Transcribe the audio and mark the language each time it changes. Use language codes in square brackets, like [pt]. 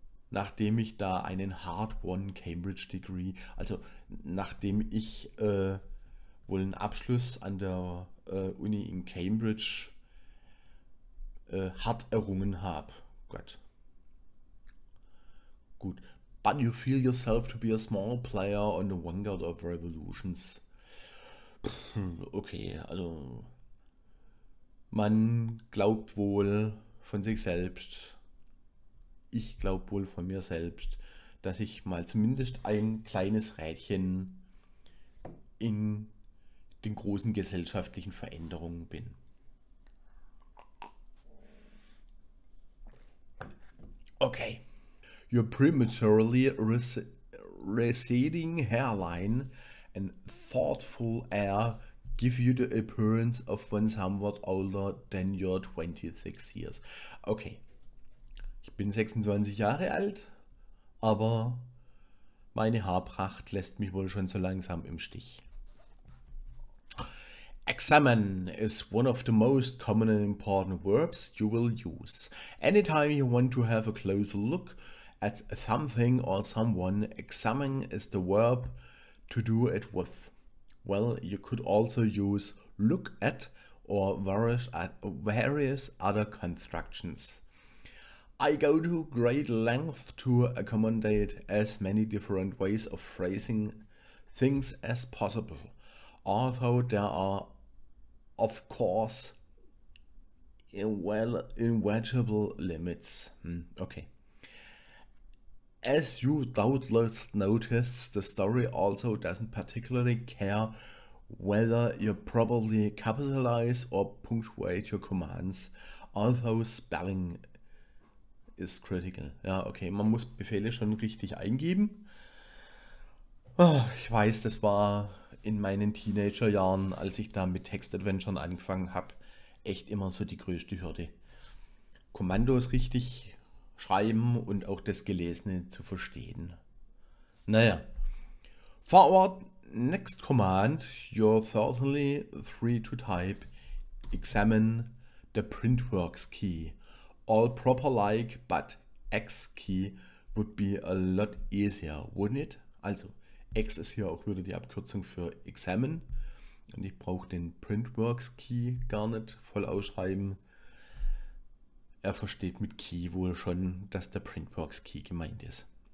[de] Nachdem ich da einen [en] Hard-Won Cambridge Degree, [de] also nachdem ich wohl einen Abschluss an der Uni in Cambridge hart errungen habe. Gott. Gut. [en] But you feel yourself to be a small player on the vanguard of revolutions. [de] Okay, also man glaubt wohl von sich selbst, ich glaube wohl von mir selbst, dass ich mal zumindest ein kleines Rädchen in den großen gesellschaftlichen Veränderungen bin. Okay. [en] Your prematurely receding hairline and thoughtful air give you the appearance of one somewhat older than your 26 years. [de] Okay, ich bin 26 Jahre alt, aber meine Haarpracht lässt mich wohl schon so langsam im Stich. [en] Examine is one of the most common and important verbs you will use. Anytime you want to have a closer look at something or someone, examine is the verb to do it with. Well, you could also use look at or various other constructions. I go to great length to accommodate as many different ways of phrasing things as possible, although there are of course inevitable limits. Okay. As you doubtless noticed, the story also doesn't particularly care whether you properly capitalize or punctuate your commands, although spelling is critical. [de] Ja, okay, man muss Befehle schon richtig eingeben. Oh, ich weiß, das war in meinen Teenagerjahren, als ich da mit Textadventuren angefangen habe, echt immer so die größte Hürde. Kommandos richtig schreiben und auch das Gelesene zu verstehen. [en] Naja. Forward next command, you're certainly free to type examine the printworks key. All proper like, but X key would be a lot easier, wouldn't it? [de] Also, X ist hier auch wieder die Abkürzung für examine. Und ich brauche den printworks key gar nicht voll ausschreiben. Er versteht mit Key wohl schon, dass der Printworks Key gemeint ist.